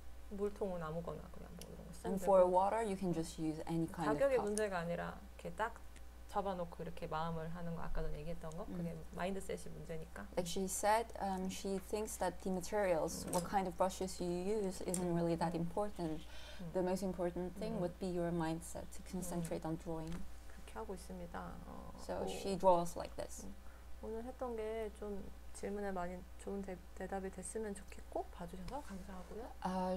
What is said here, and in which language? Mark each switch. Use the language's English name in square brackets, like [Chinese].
[Korean] 물통은 아무거나 그냥 뭐 이런 거 쓰면 되고. [English] And for water, you can just use any kind of cup. [Korean] 가격의 문제가 아니라 이렇게 딱 잡아놓고 이렇게 마음을 하는 거 아까도 얘기했던 거 그게 마인드셋이 문제니까. [English] Like she said, she thinks that the materials, what kind of brushes you use, isn't really that important. The most important thing would be your mindset to concentrate on drawing. [Korean] 그렇게 하고 있습니다. [English] So she draws like this. [Korean] 오늘 했던 게 좀 질문에 많이 좋은 대답이 됐으면 좋겠고 봐주셔서 감사하고요.